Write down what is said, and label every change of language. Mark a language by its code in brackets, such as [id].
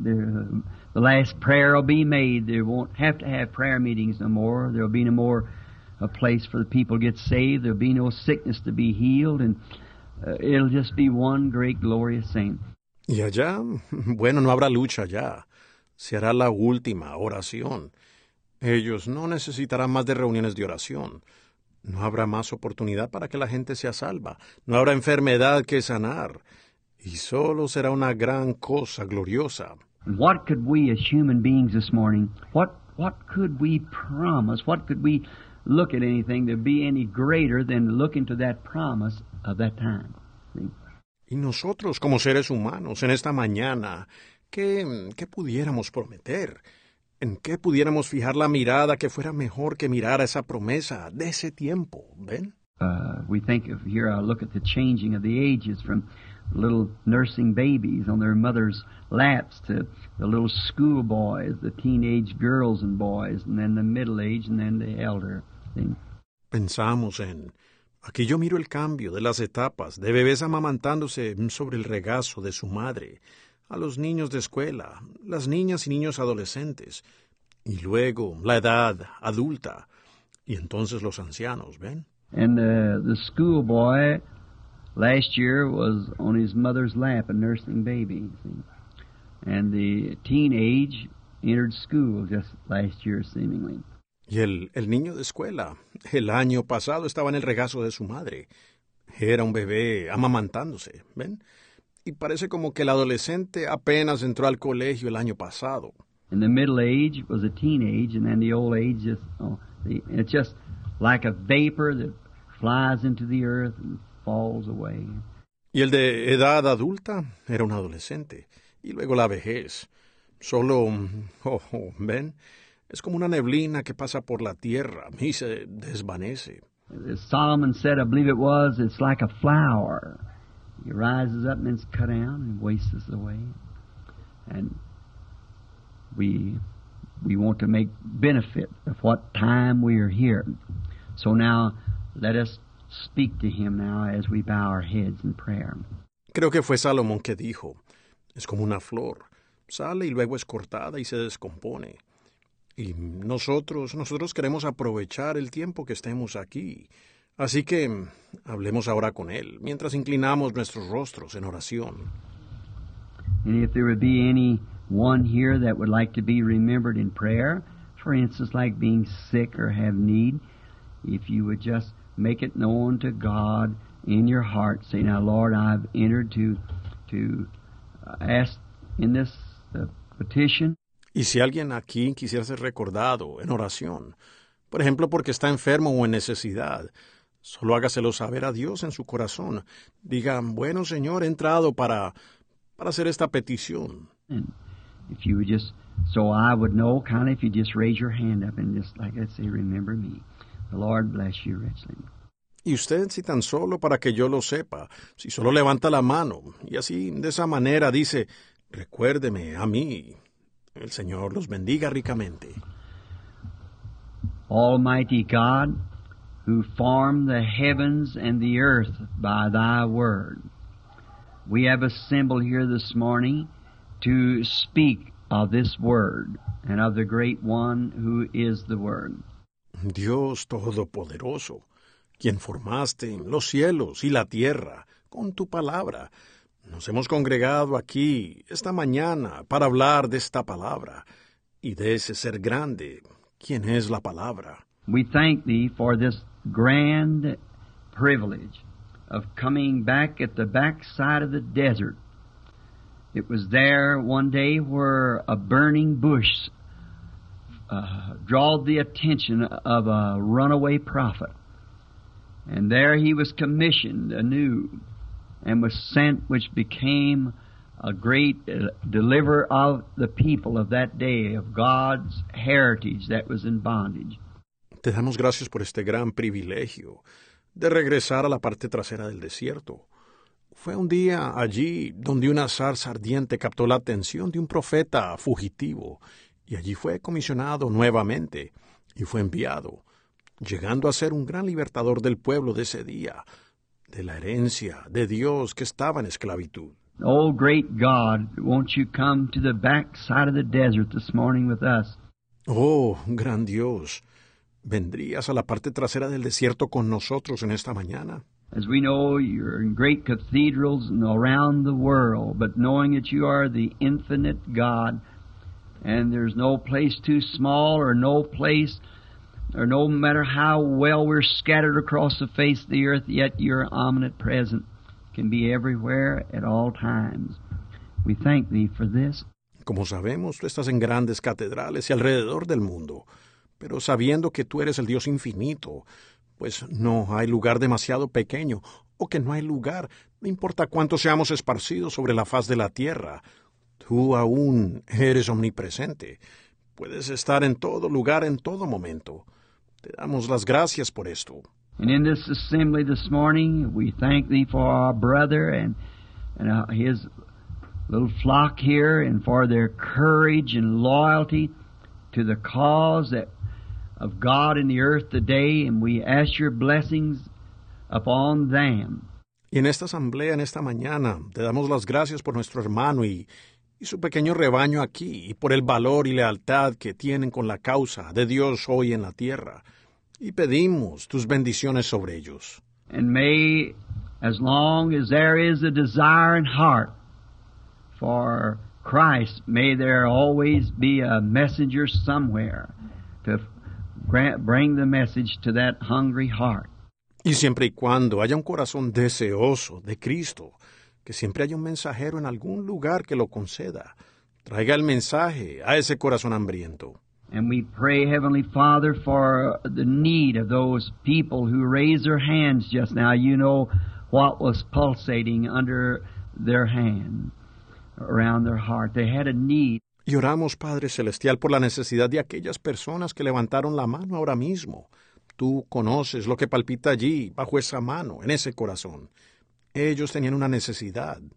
[en] The last prayer will be made. There won't have to have prayer meetings no more. There will be no more a place for the people to get saved. There will be no sickness to be healed. And it'll just be one great glorious thing. [es] Y allá, bueno, no habrá lucha ya. Se hará la última oración. Ellos no necesitarán más de reuniones de oración. No habrá más oportunidad para que la gente sea salva. No habrá enfermedad que sanar. Y solo será una gran cosa gloriosa. [en] What could we as human beings this morning, what could we promise, what could we look at anything to be any greater than looking to that promise of that time? [es] Y nosotros como seres humanos en esta mañana, ¿qué pudiéramos prometer? ¿En qué pudiéramos fijar la mirada que fuera mejor que mirar a esa promesa de ese tiempo, ven? [en] We think of here, I look at the changing of the ages from little nursing babies on their mother's laps to the little schoolboys, the teenage girls and boys, and then the middle age, and then the elder thing. [es] Pensamos en, aquí yo miro el cambio de las etapas, de bebés amamantándose sobre el regazo de su madre, a los niños de escuela, las niñas y niños adolescentes, y luego la edad adulta, y entonces los ancianos, ¿ven? [en] And the schoolboy last year was on his mother's lap, a nursing baby. And the teenage entered school just last year, seemingly. [es] Y el niño de escuela, el año pasado estaba en el regazo de su madre. Era un bebé amamantándose, ¿ven? Y parece como que el adolescente apenas entró al colegio el año pasado. [en] And the middle age was a teenage, and then the old age just, it's just like a vapor that flies into the earth and falls away. [es] Y el de edad adulta era un adolescente. Y luego la vejez. Solo, ¿ven? Es como una neblina que pasa por la tierra y se desvanece. [en] As Solomon said, I believe it was, it's like a flower. It rises up and it's cut down and wastes away. And we want to make benefit of what time we are here. So now, let us speak to him now as we bow our heads in prayer. [es] Creo que fue Salomón que dijo, es como una flor, sale y luego es cortada y se descompone. Y nosotros queremos aprovechar el tiempo que estemos aquí. Así que hablemos ahora con él, mientras inclinamos nuestros rostros en oración. [en] And if there would be anyone here that would like to be remembered in prayer, for instance, like being sick or have need, if you would just make it known to God in your heart, say, now, Lord, I've entered to ask in this petition. [es] Y si alguien aquí quisiera ser recordado en oración, por ejemplo, porque está enfermo o en necesidad, solo hágaselo saber a Dios en su corazón. Diga, bueno, Señor, he entrado para hacer esta petición. [en] And if you would just, so I would know, kind of, if you just raise your hand up and just, like I say, remember me. The Lord bless you richly. [es] Y usted, si tan solo para que yo lo sepa, si solo levanta la mano, y así, de esa manera, dice, recuérdeme a mí. El Señor los bendiga ricamente. [en] Almighty God, who formed the heavens and the earth by thy word, we have assembled here this morning to speak of this word and of the great one who is the word. [es] Dios Todopoderoso, quien formaste los cielos y la tierra con tu palabra. Nos hemos congregado aquí esta mañana para hablar de esta palabra y de ese ser grande, quien es la palabra. [en] We thank thee for this grand privilege of coming back at the backside of the desert. It was there one day where a burning bush drawed the attention of a runaway prophet. And there he was commissioned anew and was sent, which became a great deliverer of the people of that day, of God's heritage that was in bondage. [es] Te damos gracias por este gran privilegio de regresar a la parte trasera del desierto. Fue un día allí donde una zarza ardiente captó la atención de un profeta fugitivo, y allí fue comisionado nuevamente y fue enviado, llegando a ser un gran libertador del pueblo de ese día, de la herencia de Dios que estaba en esclavitud. [en] Oh, great God, won't you come to the back side of the desert this morning with us? [es] Oh, gran Dios, ¿vendrías a la parte trasera del desierto con nosotros en esta mañana? [en] As we know, you're in great cathedrals and around the world, but knowing that you are the infinite God, And there's no place too small or no place, or no matter how well we're scattered across the face of the earth, yet your omnipresent can be everywhere at all times. We thank thee for this. [es] Como sabemos, tú estás en grandes catedrales y alrededor del mundo, pero sabiendo que tú eres el Dios infinito, pues no hay lugar demasiado pequeño, o que no hay lugar, no importa cuánto seamos esparcidos sobre la faz de la tierra, tú aún eres omnipresente. Puedes estar en todo lugar en todo momento. Te damos las gracias por esto. [en] And in this assembly this morning, we thank thee for our brother and his little flock here, and for their courage and loyalty to the cause of God in the earth today, and we ask your blessings upon them. [es] Y en esta asamblea, en esta mañana, te damos las gracias por nuestro hermano y su pequeño rebaño aquí, y por el valor y lealtad que tienen con la causa de Dios hoy en la tierra. Y pedimos tus bendiciones sobre ellos. [en] And may, as long as there is a desire in heart for Christ, may there always be a messenger somewhere to bring the message to that hungry heart. [es] Y siempre y cuando haya un corazón deseoso de Cristo, que siempre haya un mensajero en algún lugar que lo conceda, traiga el mensaje a ese corazón hambriento. [en] And we pray, Heavenly Father, for the need of those people who raised their hands just now. You know what was pulsating under their hand, around their heart. They had a need. [es] Y oramos, Padre Celestial, por la necesidad de aquellas personas que levantaron la mano ahora mismo. Tú conoces lo que palpita allí, bajo esa mano, en ese corazón. Ellos tenían una necesidad.